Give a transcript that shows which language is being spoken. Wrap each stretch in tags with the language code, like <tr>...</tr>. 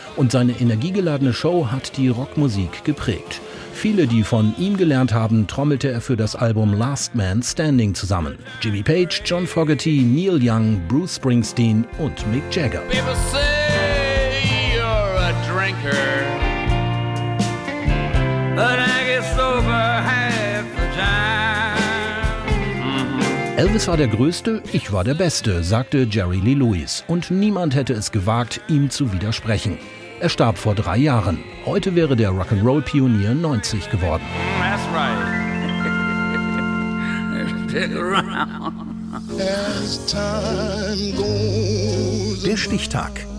<de>Und seine energiegeladene Show hat die Rockmusik geprägt. Viele, die von ihm gelernt haben, trommelte er für das Album Last Man Standing zusammen. Jimmy Page, John Fogerty, Neil Young, Bruce Springsteen und Mick Jagger.</de> <en>People say you're a drinker, but I get sober half the time.</en> <de>Elvis war der Größte, ich war der Beste, sagte Jerry Lee Lewis. Und niemand hätte es gewagt, ihm zu widersprechen. Er starb vor 3 Jahren. Heute wäre der Rock'n'Roll-Pionier 90 geworden.</de> <en>That's right. Stick around. As time goes.</en> <de>Der Stichtag.</de>